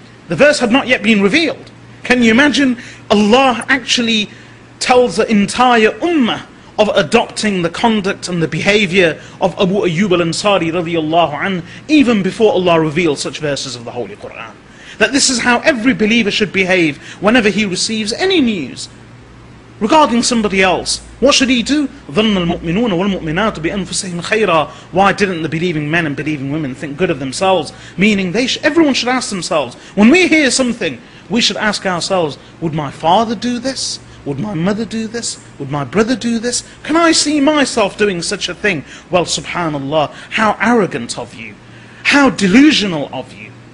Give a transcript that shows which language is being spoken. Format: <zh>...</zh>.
<en>The verse had not yet been revealed. Can you imagine? Allah actually tells the entire ummah of adopting the conduct and the behavior of Abu Ayyub al-Ansari radiallahu anhu even before Allah revealed such verses of the Holy Quran. That this is how every believer should behave whenever he receives any news regarding somebody else. What should he do?</en> <ar>ظن المؤمنون والمؤمنات بأنفسهم خيرا.</ar> <en>Why didn't the believing men and believing women think good of themselves? Meaning everyone should ask themselves. When we hear something, we should ask ourselves, would my father do this? Would my mother do this? Would my brother do this? Can I see myself doing such a thing? Well, subhanAllah, how arrogant of you. How delusional of you.</en>